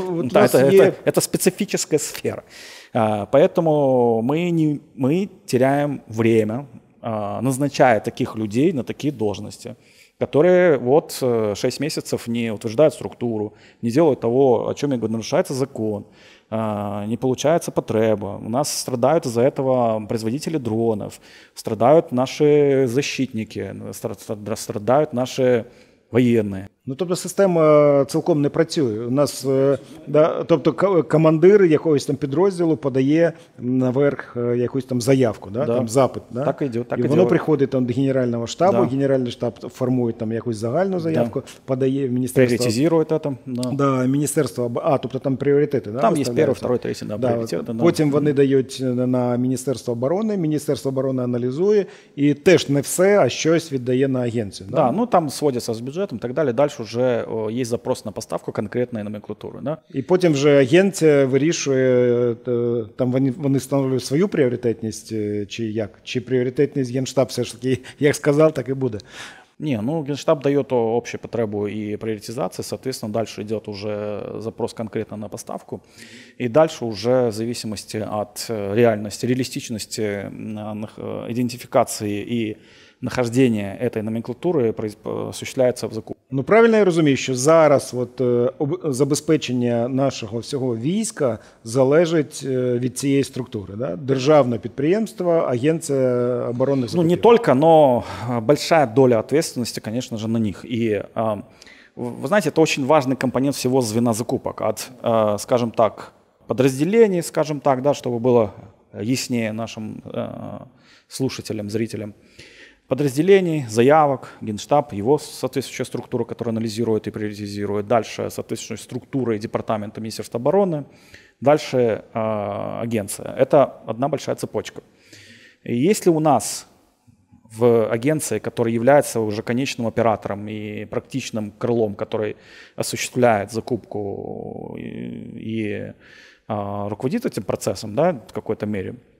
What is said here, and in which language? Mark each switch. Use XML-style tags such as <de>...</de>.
<ru>вот да, это специфическая сфера. Поэтому мы теряем время, назначая таких людей на такие должности, которые вот 6 месяцев не утверждают структуру, не делают того, о чем я говорю, нарушается закон, не получается потреба. У нас страдают из-за этого производители дронов, страдают наши защитники, страдают наши военные.</ru> <uk>Ну, тобто система цілком не працює. У нас, да, тобто командир якогось там підрозділу подає наверх якусь там заявку, да? Да. Там запит. Да? Так іде, так і воно приходить там до генерального штабу, да. Генеральний штаб формує там якусь загальну заявку, да. Подає в міністерство. Пріоритизує це там. Да. Да, міністерство, тобто там пріоритети. Да, там є перший, другий, третій, да, пріоритет. Да. Потім вони дають на Міністерство оборони, Міністерство оборони аналізує і теж не все, а щось віддає на агенцію. Да? Да, ну там сводяться з бюджетом і так далі.</uk> <ru>Дальше уже есть запрос на поставку конкретной номенклатуры. Да? И потом же</ru> <uk>агенция вирішує, там вони встановлюють свою пріоритетність, чи як? Чи пріоритетність Генштаб все ж таки, як сказав, так і буде?</uk> <ru>Не, ну Генштаб дает общую потребу и приоритизацию, соответственно, дальше идет уже запрос конкретно на поставку, и дальше уже в зависимости от реальности, реалистичности идентификации и нахождение этой номенклатуры осуществляется в закупке.</ru> <uk>Ну, правильно я розумію, що зараз от забезпечення нашого всього війська залежить від цієї структури, да? Державне підприємство, агенція оборонних закупів. Ну, не тільки, но велика доля відповідальності, звісно ж, на них. І, ви знаєте, це дуже важливий компонент всього звена закупок. От, скажімо так, підрозділень, скажімо так, да, щоб було ясніше нашим слухачам, зрителям.</uk> <ru>Подразделений, заявок, Генштаб, его соответствующая структура, которая анализирует и приоритизирует. Дальше соответствующая структура и департамента Министерства обороны. Дальше агенция. Это одна большая цепочка. И если у нас в агенции, которая является уже конечным оператором и практичным крылом, который осуществляет закупку и руководит этим процессом, да, в какой-то мере,</ru>